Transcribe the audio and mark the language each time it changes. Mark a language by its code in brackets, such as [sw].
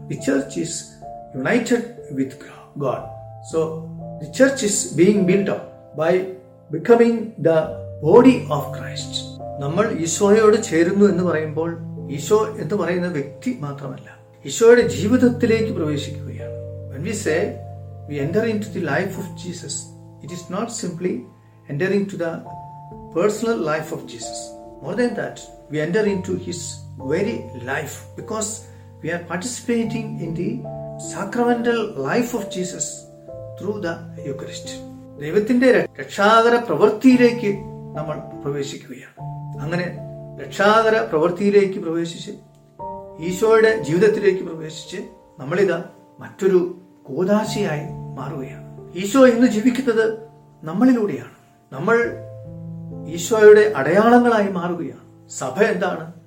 [en] The church is united with God. So the church is being build up by becoming the body of Christ. [ml] നമ്മൾ ഈശോയോട് ചേരുന്നു എന്ന് പറയുമ്പോൾ ഈശോ എന്ന് പറയുന്ന വ്യക്തി മാത്രമല്ല, ഈശോയുടെ ജീവിതത്തിലേക്ക് പ്രവേശിക്കുകയാണ്. [en] When we say we enter into the life of Jesus, it is not simply entering to the personal life of Jesus. More than that, we enter into his very life, because we are participating in the sacramental life of Jesus through the Eucharist. [ml] ദൈവത്തിന്റെ രക്ഷാകര പ്രവൃത്തിയിലേക്ക് നമ്മൾ പ്രവേശിക്കുകയാണ്. അങ്ങനെ രക്ഷാകര പ്രവൃത്തിയിലേക്ക് പ്രവേശിച്ച് ഈശോയുടെ ജീവിതത്തിലേക്ക് പ്രവേശിച്ച് നമ്മളിത് മറ്റൊരു കോദാശയായി മാറുകയാണ്. ഈശോ ഇന്ന് ജീവിക്കുന്നത് നമ്മളിലൂടെയാണ്. നമ്മൾ ഈശോയുടെ അടയാളങ്ങളായി മാറുകയാണ്. സഭ എന്താണ്?